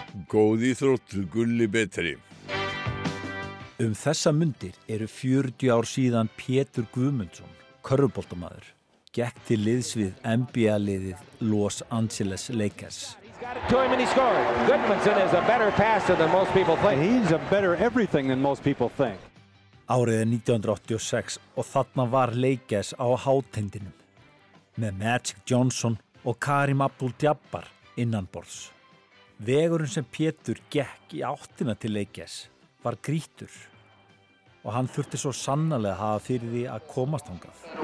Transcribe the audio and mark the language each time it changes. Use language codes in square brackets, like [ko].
[is] góð íþrótt til Gulli betri. Þessa mundir eru 40 ár síðan Pétur Guðmundsson, körfuboltamaður, gekk til liðs við NBA-liðið Los Angeles Lakers. [en] Guðmundsson is a better passer than most people think. He's a better everything than most people think. [is] Árið 1986 og þarna var Lakers á hátindinum með Magic Johnson og Karim Abdul-Jabbar innanborðs. Vegurinn sem Pétur gekk í áttina til Lakers var grýttur og hann þurfti svo sannarlega hafa fyrir því að komast þangað.